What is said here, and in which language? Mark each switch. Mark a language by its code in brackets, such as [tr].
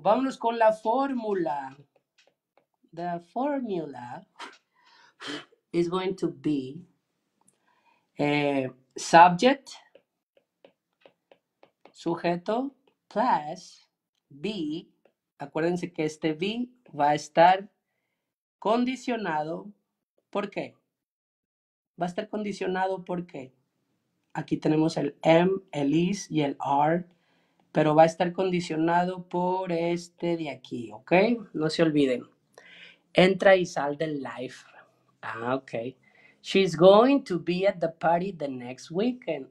[es] Vámonos con la fórmula. [en] The formula is going to be subject, sujeto, plus be. [es] Acuérdense que este be va a estar condicionado. ¿Por qué? Va a estar condicionado porque aquí tenemos el am, el is y el are. Pero va a estar condicionado por este de aquí, ¿ok? No se olviden. Entra y sal del live. Ah, ok. [en] She's going to be at the party the next weekend.